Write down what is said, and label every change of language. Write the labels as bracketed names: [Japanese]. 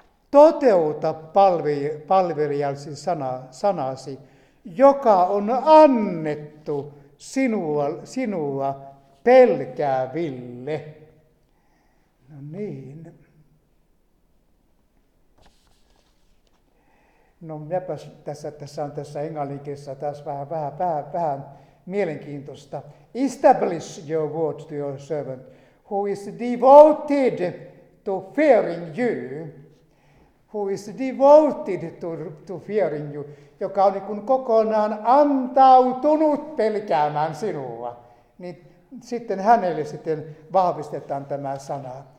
[Finnish] Toteuta palvelijasi sanasi, joka on annettu sinua pelkääville. No niin. No minäpäs tässä on tässä englanninkielessä taas vähän mielenkiintoista. [English] Establish your word to your servant who is devoted to fearing you. Who is devoted to fearing you, [Finnish] joka on niin kuin kokonaan antautunut pelkäämään sinua, niin sitten hänelle sitten vahvistetaan tämä sana.